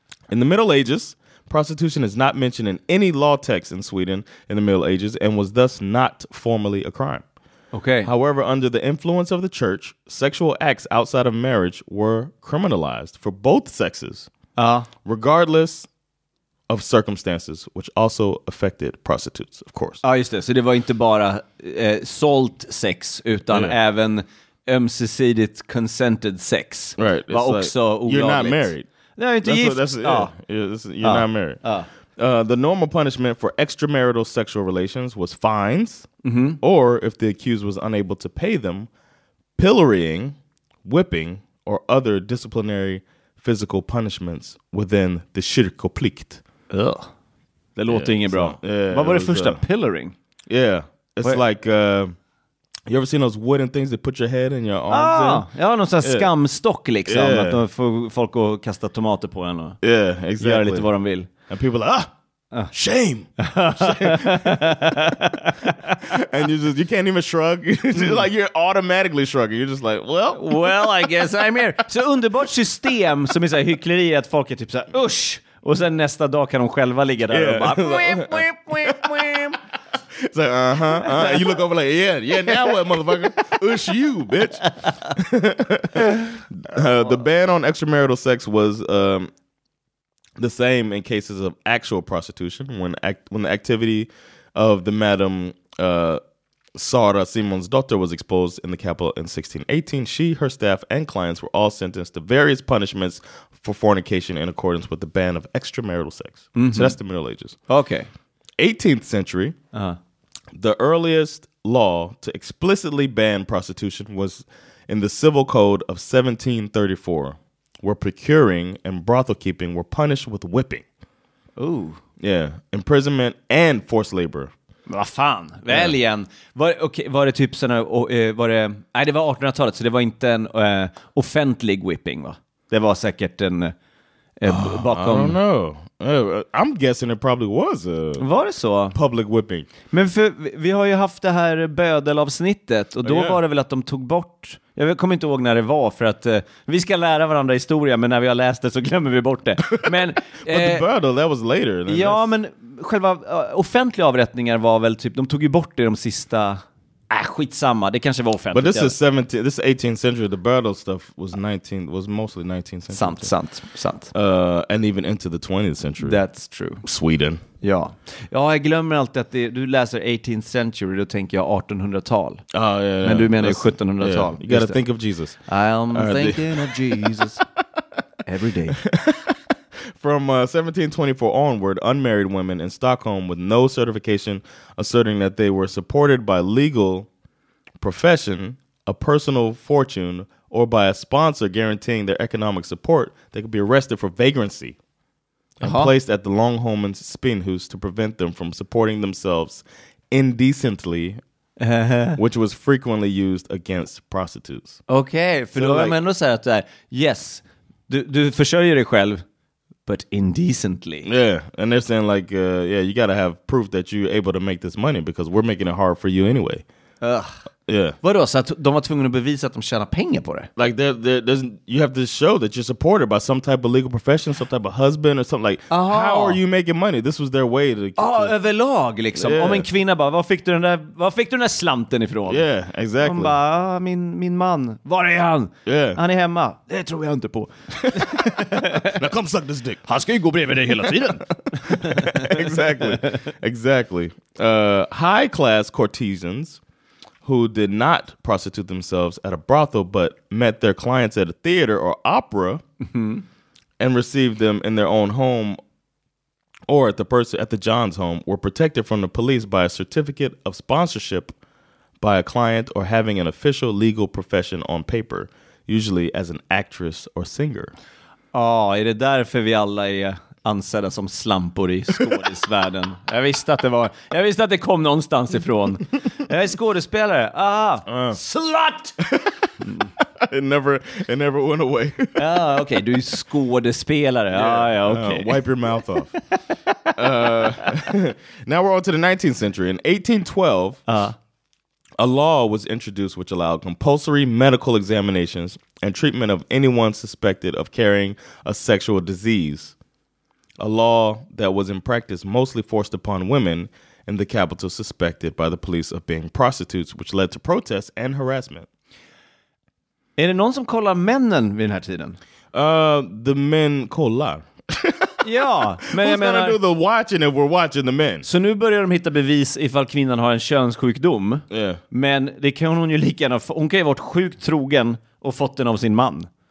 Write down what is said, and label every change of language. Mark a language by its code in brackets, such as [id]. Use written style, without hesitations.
[en] In the Middle Ages, prostitution is not mentioned in any law text in Sweden in the Middle Ages and was thus not formally a crime. Okay. However, under the influence of the church, sexual acts outside of marriage were criminalized for both sexes, regardless of circumstances, which also affected prostitutes, of course. [sv] Ja, just det. Så det var inte bara sålt sex, utan även ömsesidigt consented sex. [en] Right. [sv] Var it's också like, olagligt. [en] You're not married. [sv] Nej, inte [en] that's [sv] gift. [en] You're not married. The normal punishment for extramarital sexual relations was fines, mm-hmm. or if the accused was unable to pay them, pillorying, whipping, or other disciplinary physical punishments within the kyrkoplikt. [sv] Ugh. Det låter inget bra. Vad var det första? Pillorying? [en] Yeah. It's like, you ever seen those wooden things that put your head and your arms in? [sv] Ja, någon sån skamstock liksom. [en] Yeah. [sv] Att de får folk att kasta tomater på en och [en] exactly. [sv] göra lite vad de vill. [en] And people are like, shame. And you can't even shrug. Like you're automatically shrugging. You're just like, well. Well, I guess I'm here. [sv] Så underbart system som är så här hyckleri, att folk är typ så här, usch. Och sen nästa dag kan de själva ligga där och bara, wimp, wimp, wimp, wimp. [en] It's like, uh-huh. And you look over like, now what, motherfucker? Ush you, bitch. The ban on extramarital sex was... the same in cases of actual prostitution, when the activity of the madam Sara Simon's daughter was exposed in the capital in 1618, she, her staff, and clients were all sentenced to various punishments for fornication in accordance with the ban of extramarital sex. Mm-hmm. So that's the Middle Ages. Okay. 18th century, the earliest law to explicitly ban prostitution was in the Civil Code of 1734. Were procuring and brothel keeping were punished with whipping. Ooh. Yeah. Imprisonment and forced labor. [sv] Vad fan? Väl igen. Var det typ såna, var det, nej, det var 1800-talet, så det var inte en offentlig whipping, va? Det var säkert en bakom... [en] I don't know. I'm guessing it probably was a... [sv] Var det så? [en] Public whipping. [sv] Men för vi har ju haft det här bödelavsnittet, och då var det väl att de tog bort... Jag kommer inte ihåg när det var, för att vi ska lära varandra historia, men när vi har läst det så glömmer vi bort det. Men [en] but the burdle, that was later. [sv] Ja, this. Men själva offentliga avrättningar var väl typ, de tog ju bort det de sista... skitsamma, det kanske var offentligt. [en] But this is 17, this 18th century, the burdle stuff was 19th, was mostly 19th century. [sv] Sant. [en] And even into the 20th century. That's true. Sweden. [sv] Ja. Ja, jag glömmer alltid att du läser [en] 18th century, [sv] då tänker jag 1800-tal. [en] Yeah. [sv] Men du menar ju 1700-tal. [en] You gotta think of Jesus. I'm thinking of Jesus. Every day. From 1724 onward, unmarried women in Stockholm with no certification asserting that they were supported by legal profession, a personal fortune, or by a sponsor guaranteeing their economic support, they could be arrested for vagrancy. and placed at the Longhorns' spin house to prevent them from supporting themselves indecently, which was frequently used against prostitutes. [sv] Okay, för då har man ändå sagt att yes, du försörjer dig själv, [en] but indecently. Yeah, and they're saying like, yeah, you gotta have proof that you're able to make this money because we're making it hard for you anyway. [sv] Vadå, så att de var tvungna att bevisa att de tjänar pengar på det? [en] Like, you have to show that you're supported by some type of legal profession, some type of husband or something. Like, how are you making money? This was their way to... [sv] Överlag liksom. [en] Yeah. [sv] Om en kvinna bara, var fick du den där slanten ifrån? [en] Yeah, exactly. [sv] Hon bara, min man, var är han? [en] Yeah. [sv] Han är hemma. Det tror jag inte på. [en] Now come suck this dick. [sv] Han ska ju gå bredvid dig hela tiden. [en] Exactly. High class courtesans who did not prostitute themselves at a brothel but met their clients at a theater or opera and received them in their own home or at the person at the John's home were protected from the police by a certificate of sponsorship by a client or having an official legal profession on paper, usually as an actress or singer. [sv] Oh, är det därför vi alla är ansedda som slampor i skådisvärlden? Jag visste att det kom någonstans ifrån. Jag är skådespelare. Ah, slut! [en] It never went away. [sv] Ah, okej, okay, du är skådespelare. [en] Yeah. [sv] Ah, ja, okay. [en] Wipe your mouth off. Now we're on to the 19th century. In 1812, a law was introduced which allowed compulsory medical examinations and treatment of anyone suspected of carrying a sexual disease. A law that was in practice mostly forced upon women in the capital suspected by the police of being prostitutes, which led to protests and harassment. [sv] Är det någon som kollar männen vid den här tiden? [en] The men kollar. [sv] Ja, men [en] who's [sv] jag menar... [en] Who's gonna do the watching if we're watching the men? [sv] Så nu börjar de hitta bevis ifall kvinnan har en könssjukdom. [en] Yeah. [sv] Men det kan hon ju lika gärna... Hon kan ju ha varit sjukt trogen och fått den av sin man.